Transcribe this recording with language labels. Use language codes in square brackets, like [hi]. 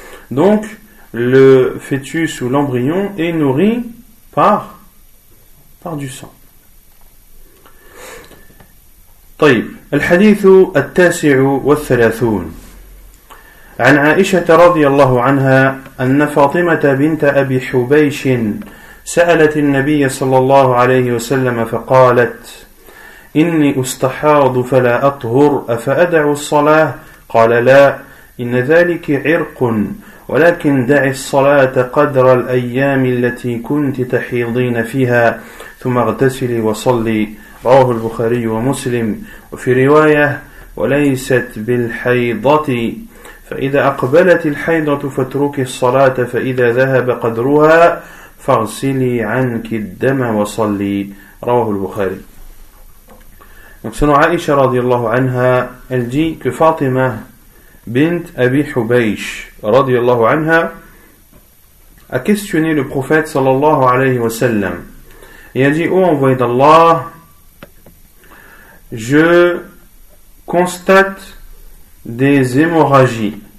[fr] Donc le fœtus ou l'embryon est nourri par du sang. [ar] طيب الحديث التاسع والثلاثون عن عائشة رضي الله عنها أن فاطمة بنت أبي حبيش سألت النبي صلى الله عليه وسلم فقالت إني أستحاض فلا أطهر أفأدع الصلاة؟ قال لا، إن ذلك عرق، ولكن دع الصلاة قدر الأيام التي كنت تحيضين فيها ثم اغتسلي وصلي. رواه البخاري ومسلم. وفي رواية: وليست بالحيضة، فإذا أقبلت الحيضة فاترك الصلاة، فإذا ذهب قدرها فاغسلي عنك الدم وصلي. رواه البخاري. سنة عائشة رضي الله عنها الجي كفاطمة [fr] Bint Abi Hubaysh radiyallahu anha a questionné le prophète sallallahu alayhi wa sallam et a dit: ô envoyé d'Allah, je constate des hémorragies